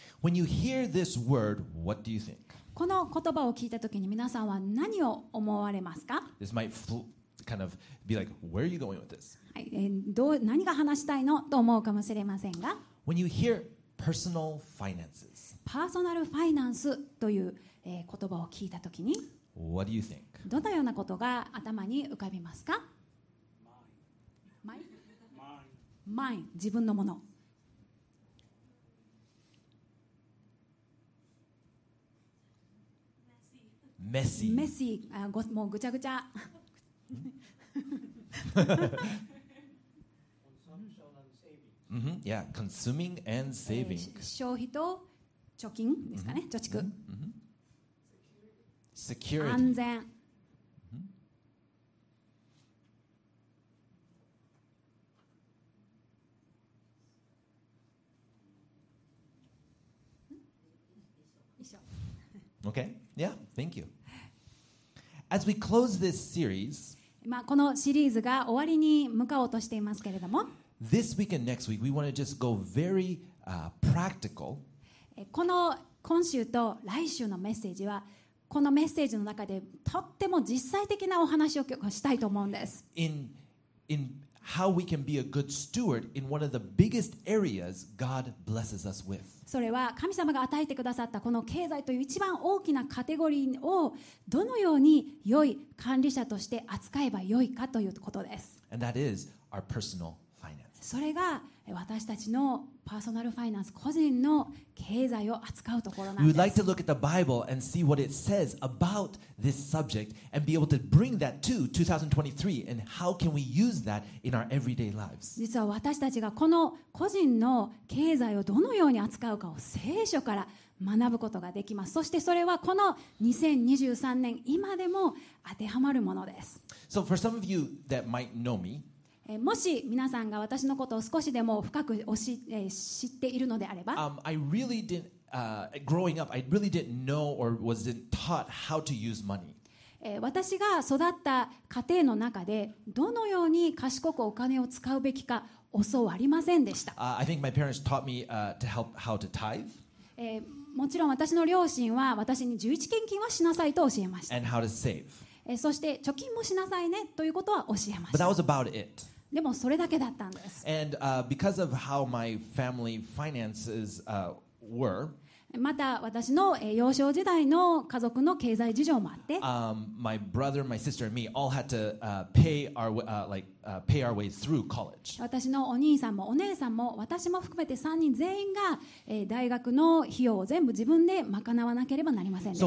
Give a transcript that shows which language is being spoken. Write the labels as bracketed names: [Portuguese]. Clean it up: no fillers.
[English] When you hear this word, what do you think? [Japanese] この言葉を聞いたときに皆さんは何を思われますか？ [English] This might kind of be like, where are you going with this? [Japanese] はい、どう何が話したいのと思うかもしれませんが、 [English] When you hear personal finances, [Japanese] パーソナルファイナンスという、言葉を聞いたときに、 [English] What do you think? [Japanese] どのようなことが頭に浮かびますか？ [English] Mine. [Japanese] 自分のもの。 [English] Messy. [Japanese] もうぐちゃぐちゃ。 Mm-hmm. [English] Yeah, consuming and saving. [Japanese] 消費と貯金ですかね、貯蓄。 [English] Security. [Japanese] 安全。一緒。 [English] Okay. Yeah. Thank you. As we close this series, [Japanese] まあこのシリーズが終わりに向かおうとしていますけれども、 [English] This week and next week, we want to just go very practical. [Japanese] この今週と来週のメッセージは、このメッセージの中でとっても実際的なお話をしたいと思うんです。 [English] In how we can be a good steward in one of the biggest areas God blesses us with. [Japanese] それは神様が与えてくださったこの経済という一番大きなカテゴリーをどのように良い管理者として扱えば良いかということです。 [English] And that is our personal finance. [Japanese] それが私たちのパーソナルファイナンス、個人の経済を扱うところなんです。 [English] We'd like to look at the Bible and see what it says about this subject and be able to bring that to 2023 and how can we use that in our everyday lives. [Japanese] 実は私たちがこの個人の経済をどのように扱うかを聖書から学ぶことができます。そしてそれはこの2023年今でも当てはまるものです。 [English] So for some of you that might know me, [Japanese] もし皆さんが私のことを少しでも深く知っているのであれば、 [English] I really didn't, growing up, I really didn't know or wasn't taught how to use money. [Japanese] 私が育った家庭の中でどのように賢くお金を使うべきか教わりませんでした。 [English] I think my parents taught me, to help how to tithe. [Japanese] もちろん私の両親は私に11献金はしなさいと教えました。 [English] And how to save. [Japanese] そして貯金もしなさいねということは教えました。 [English] But that was about it. [Japanese] でもそれだけだったんです。 [English] And, because of how my family finances, were, [Japanese] また私の幼少時代の家族の経済事情もあって、 [English] my brother, my sister and me all had to, pay our, like, pay our way through college. [Japanese] 私のお兄さんもお姉さんも私も含めて3人全員が大学の費用を全部自分で賄わなければなりませんでした。